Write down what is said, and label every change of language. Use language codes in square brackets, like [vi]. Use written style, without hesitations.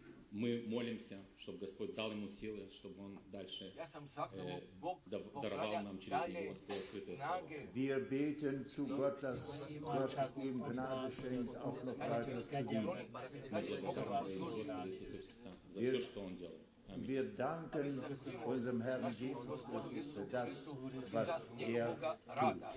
[ru] Мы молимся, чтобы Господь дал ему силы, чтобы он дальше даровал нам через него свое открытое слово. [de] Мы beten zu Gott, dass Gott ihm Gnade schenkt, auch noch weiter zu dienen. [ru] Мы благодарим Господа Иисуса Христа за все, что он делает. [de] Wir danken unserem Herrn Jesus Christus für das, was er tut.